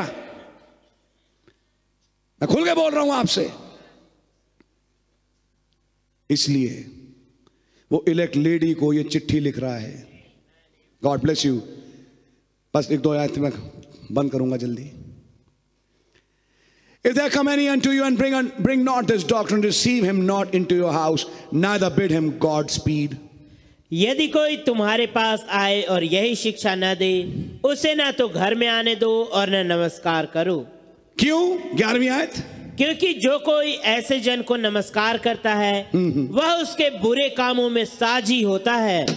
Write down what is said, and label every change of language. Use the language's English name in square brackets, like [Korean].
[Hindi] मैं खुल के बोल रहा हूं आपसे, इसलिए वो इलेक्ट लेडी को ये चिट्ठी लिख रहा है. [English] God bless you. [Hindi] बस एक दो आयत में बंद करूंगा जल्दी. [English] If there come any unto you and bring not this doctrine, receive him not into your house, neither bid him Godspeed. [Hindi] यदि कोई तुम्हारे पास आए और यही शिक्षा न दे, उसे ना तो घर में आने दो और ना नमस्कार करो. क्यों? ग्यारहवीं आयत. क्योंकि जो कोई ऐसे जन को नमस्कार करता है वह उसके बुरे कामों में साझी होता है.